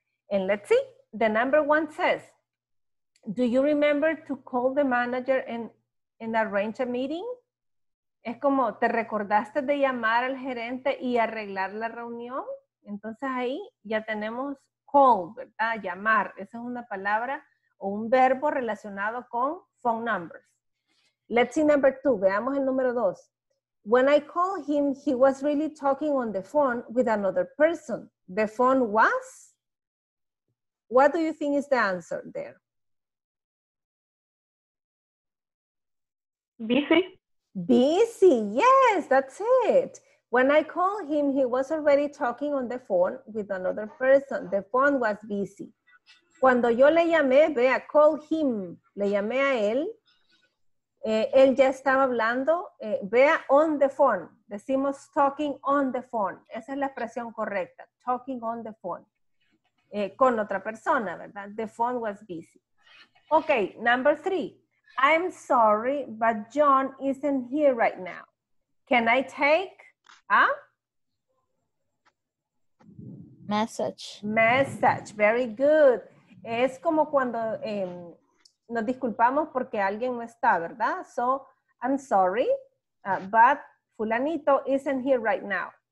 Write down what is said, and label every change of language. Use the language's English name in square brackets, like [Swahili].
[English] And let's see, the number one says, do you remember to call the manager and arrange a meeting? [Spanish] Es como, ¿te recordaste de llamar al gerente y arreglar la reunión? Entonces ahí ya tenemos call, ¿verdad? Llamar, esa es una palabra o un verbo relacionado con phone numbers. [English] Let's see number two, [Spanish] veamos el número dos. [English] When I called him, he was really talking on the phone with another person. The phone was? What do you think is the answer there? Busy. Busy, yes, that's it. When I called him, he was already talking on the phone with another person. The phone was busy. [Spanish] Cuando yo le llamé, vea, call him, le llamé a él, él ya estaba hablando, vea, [English] on the phone. [Spanish] Decimos [English] talking on the phone. [Spanish] Esa es la expresión correcta, talking on the phone. Con otra persona, ¿verdad? [English] The phone was busy. Okay, number three. I'm sorry, but John isn't here right now. Can I take a? Message. Message, very good. [Spanish] Es como cuando nos disculpamos porque alguien no está, ¿verdad? [English] So, I'm sorry, but fulanito isn't here right now.